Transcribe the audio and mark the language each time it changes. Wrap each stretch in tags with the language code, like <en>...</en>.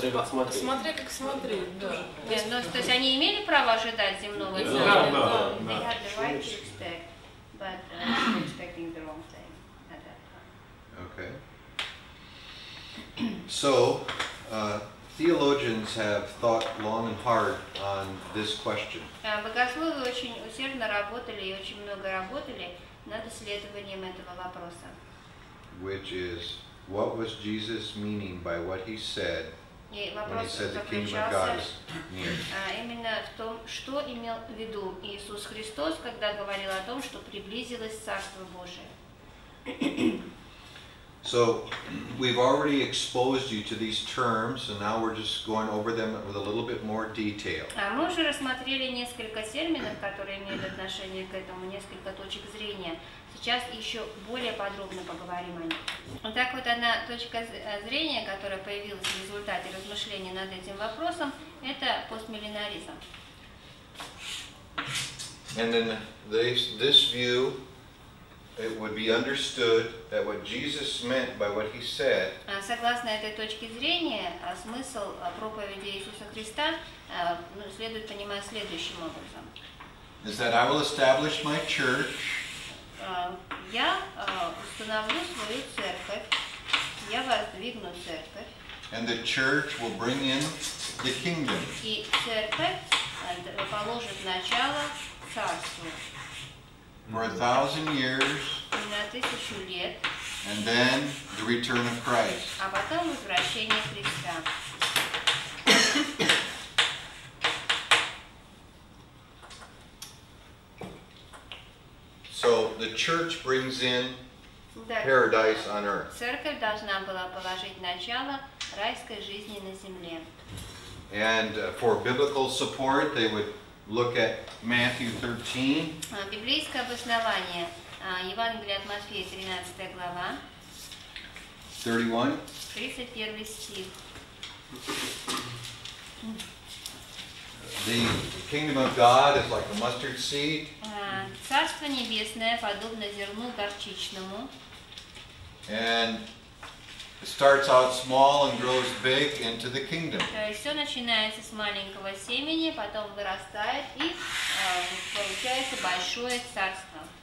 <ru>То есть они имели право ожидать земного царства. Да, да, да.</ru> <en>They had the right to expect, but expecting the wrong thing at that time. Okay. So theologians have thought long and hard on this question.</en> <ru>Богословы очень усердно работали и очень много работали над исследованием этого вопроса.</ru> <en>Which is, what was Jesus meaning by what he said when he said the kingdom of God is near?</en> <ru>Именно в том, что имел в виду Иисус Христос, когда говорил о том, что приблизилось Царство Божие.</ru> <en>So we've already exposed you to these terms, and now we're just going over them with a little bit more detail.</en> <ru>Мы уже рассмотрели несколько терминов, которые имеют отношение к этому, несколько точек зрения. Сейчас еще более подробно поговорим о них. Так вот, одна точка зрения, которая появилась в результате размышления над этим вопросом, это постмиллинаризм.</ru> <en>And then this view, it would be understood that what Jesus meant by what he said.</en> <ru>Согласно этой точке зрения, смысл проповеди Иисуса Христа следует понимать следующим образом.</ru> <en>Is that I will establish my church.</en> <ru>Я установлю свою церковь. Я воздвигну церковь.</ru> <en>And the church will bring in the kingdom.</en> <ru>И церковь положит начало царству.</ru> <en>For 1,000 years,</en> <ru>на тысячу лет,</ru> <en>And then the return of Christ.</en> <ru>А потом возвращение Христа.</ru> <en>So the church brings in paradise on earth.</en> <ru>Церковь должна была положить начало райской жизни на земле.</ru> <en>And for biblical support, they would look at Matthew 13.</en> <ru>Библейское обоснование. Евангелие от Матфея, 13 глава.</ru> <en>31.</en> <ru>31 стих.</ru> <en>The kingdom of God is like a mustard seed.</en> <ru>Царство небесное подобно зерну горчичному.</ru> <en>And it starts out small and grows big into the kingdom.</en> <ru>То есть все начинается с маленького семени, потом вырастает и получается большое царство.</ru>